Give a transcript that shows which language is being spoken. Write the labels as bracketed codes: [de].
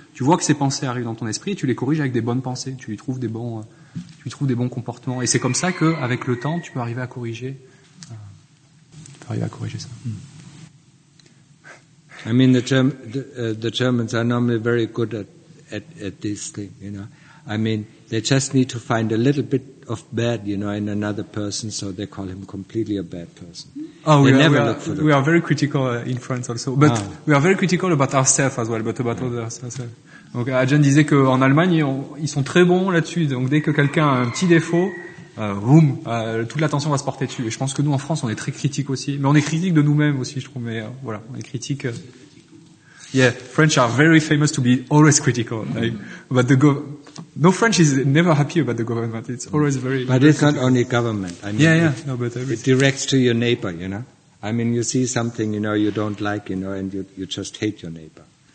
[fr] Tu vois que ces pensées arrivent dans ton esprit, et tu les corriges avec des bonnes pensées, tu lui trouves des bons comportements, et c'est comme ça que avec le temps, tu peux arriver à corriger. [en] I mean, the Germans are normally very good at this thing, you know. I mean, they just need to find a little bit of bad, you know, in another person, so they call him completely a bad person. Oh, they we are very critical in France also, but we are very critical about ourselves as well, but about others as well. [fr] Donc, Ajahn disait qu'en Allemagne, ils sont très bons là-dessus, donc dès que quelqu'un a un petit défaut, toute l'attention va se porter dessus. Et je pense que nous, en France, on est très critiques aussi. Mais on est critiques de nous-mêmes aussi, je trouve. Mais voilà, on est critiques. [en] Yeah, French are very famous to be always critical. Like, but the no French is never happy about the government. It's always very... But it's not only government. I mean, It directs to your neighbor, you know. I mean, you see something, you know, you don't like, you know, and you just hate your neighbor.